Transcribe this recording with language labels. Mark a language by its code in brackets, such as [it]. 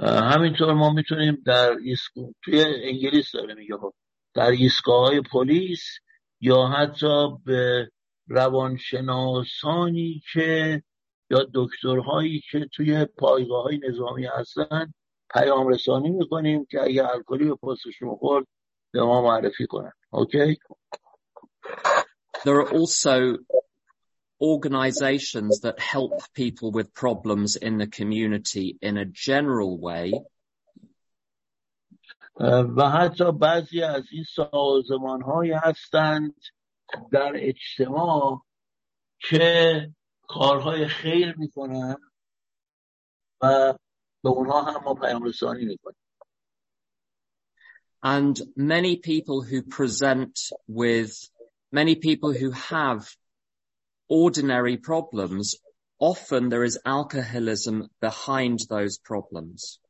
[fa] همینطور ما میتونیم در توی انگلیس داره میگه در ایستگاه‌های پلیس یا حتی به روانشناسانی که یا دکترهایی که توی پایگاه‌های نظامی هستن پیام رسانی میکنیم که اگه الکلی به پوستشون خورد به ما معرفی کنن. اوکی؟ [en] There are also organizations that help people with problems in the community in a general way. [fa] و حتی بعضی از این سازمان های هستند در اجتماع که کارهای خیر می کنند و به اونها هم پیام رسانی می کنند. [en] And many people who have ordinary problems, often there is alcoholism behind those problems.